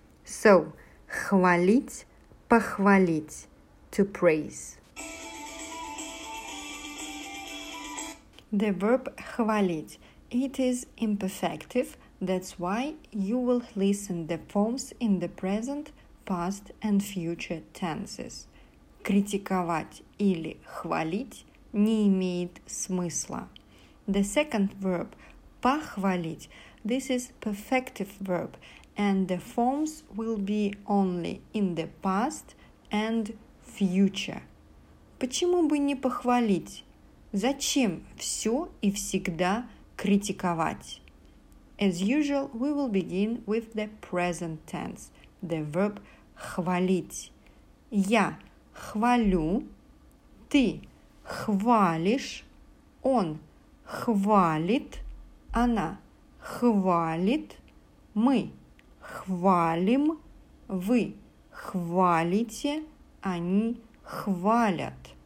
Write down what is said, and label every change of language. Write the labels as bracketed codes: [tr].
[en] So, хвалить, похвалить, to praise. The verb хвалить, it is imperfective, that's why you will listen the forms in the present past and future tenses. [ru] Критиковать или хвалить не имеет смысла. [en] The second verb, похвалить, this is perfective verb, and the forms will be only in the past and future. [ru] Почему бы не похвалить? Зачем все и всегда критиковать? [en] As usual, we will begin with the present tense, the verb хвалить. [ru] Я хвалю, ты хвалишь, он хвалит, она хвалит, мы хвалим, вы хвалите, они хвалят.